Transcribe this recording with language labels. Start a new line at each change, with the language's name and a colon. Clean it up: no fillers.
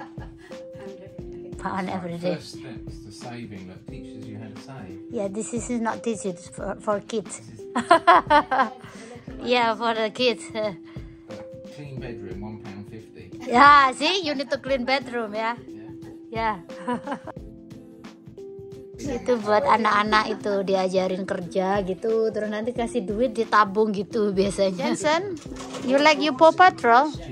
English: Yeah. Pound every day. First steps to saving that teaches you how to save. Yeah, this is not teach it for kids. Yeah, for the kids. Clean bedroom, £1.50. Yeah, see, you need to clean bedroom, yeah. Yeah. Yeah.
Indonesian: Itu buat anak-anak itu diajarin kerja gitu, terus nanti kasih duit ditabung gitu biasanya.
English: Jensen, you like your Paw Patrol?